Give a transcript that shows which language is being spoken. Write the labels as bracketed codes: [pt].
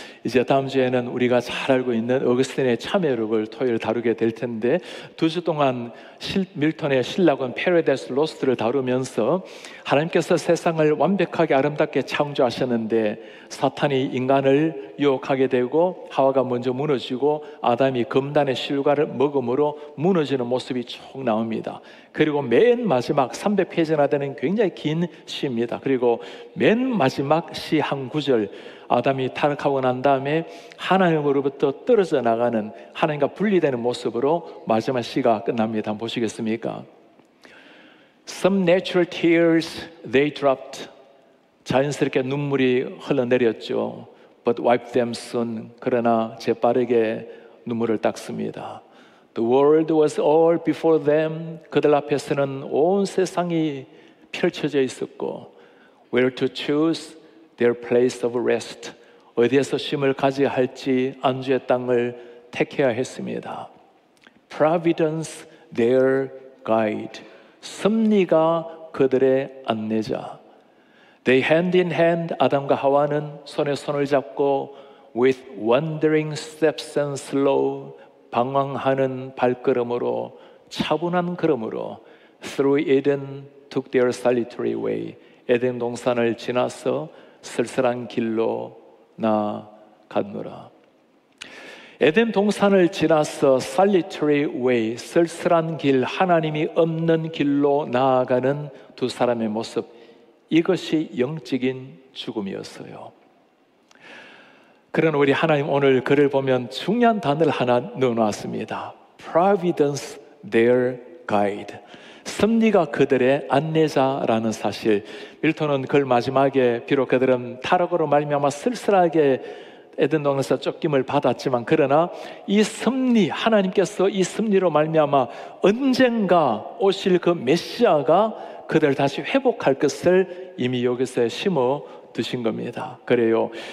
[ko] 이제 다음 주에는 우리가 잘 알고 있는 어거스틴의 참회록을 토요일 다루게 될 텐데 두 주 동안 밀턴의 신라곤 패러다이스 로스트를 다루면서 하나님께서 세상을 완벽하게 아름답게 창조하셨는데 사탄이 인간을 유혹하게 되고 하와가 먼저 무너지고 아담이 금단의 실과를 먹음으로 무너지는 모습이 쭉 나옵니다. 그리고 맨 마지막 300페이지나 되는 굉장히 긴 시입니다. 그리고 맨 마지막 시 한 구절, 아담이 타락하고 난 다음에 하나님으로부터 떨어져 나가는, 하나님과 분리되는 모습으로 마지막 시가 끝납니다. 한번 보시겠습니까? [en] Some natural tears they dropped. [ko] 자연스럽게 눈물이 흘러내렸죠. [en] But wipe them soon. [ko] 그러나 재빠르게 눈물을 닦습니다. [en] The world was all before them. [ko] 그들 앞에서는 온 세상이 펼쳐져 있었고, [en] where to choose their place of rest. [ko] 어디에서 쉼을 가져야 할지 안주의 땅을 택해야 했습니다. [en] Providence their guide. [ko] 섭리가 그들의 안내자. [en] They hand in hand, [ko] 아담과 하와는 손에 손을 잡고, [en] with wandering steps and slow, [ko] 방황하는 발걸음으로, 차분한 걸음으로, [en] through Eden took their solitary way. [ko] 에덴 동산을 지나서 쓸쓸한 길로 나갔노라. 에덴 동산을 지나서 [en] solitary way, [ko] 쓸쓸한 길, 하나님이 없는 길로 나아가는 두 사람의 모습, 이것이 영적인 죽음이었어요. 그러나 우리 하나님 오늘 글을 보면 중요한 단어를 하나 넣어놨습니다. [en] Providence their guide. [ko] 섭리가 그들의 안내자라는 사실. 밀턴은 글 마지막에 비록 그들은 타락으로 말미암아 쓸쓸하게 에덴 동산에서 쫓김을 받았지만, 그러나 이 섭리, 하나님께서 이 섭리로 말미암아 언젠가 오실 그 메시아가 그들 다시 회복할 것을 이미 여기서 심어 두신 겁니다. 그래요.